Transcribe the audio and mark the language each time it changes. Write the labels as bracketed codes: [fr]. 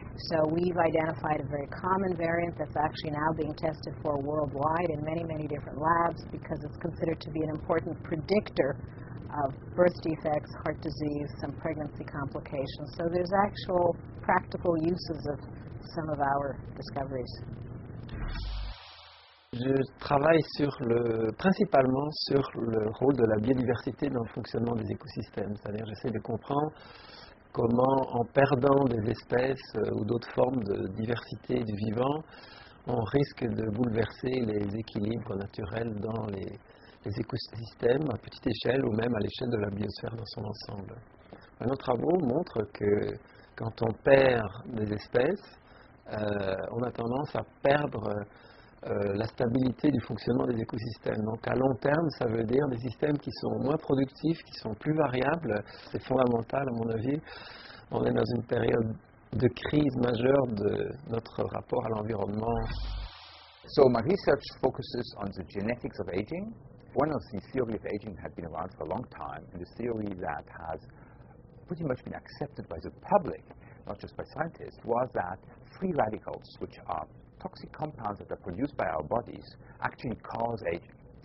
[en] So we've identified a very common variant that's actually now being tested for worldwide in many, many different labs because it's considered to be an important predictor of birth defects, heart disease, some pregnancy complications. So there's actual practical uses of some of our discoveries. [fr] Je travaille principalement sur le rôle de la biodiversité dans le fonctionnement des écosystèmes. C'est-à-dire, j'essaie de comprendre comment, en perdant des espèces ou d'autres formes de diversité du vivant, on risque de bouleverser les équilibres naturels dans les écosystèmes à petite échelle ou même à l'échelle de la biosphère dans son ensemble. Nos travaux montrent que quand on perd des espèces, on a tendance à perdre la stabilité du fonctionnement des écosystèmes. Donc à long terme, ça veut dire des systèmes qui sont moins productifs, qui sont plus variables. C'est fondamental, à mon avis. On est dans une période de crise majeure de notre rapport à l'environnement. [en] So my research focuses on the genetics of aging. One of the theories of aging had been around for a long time, and the theory that has pretty much been accepted by the public, not just by scientists, was that free radicals, which are toxic compounds that are produced by our bodies, actually cause aging.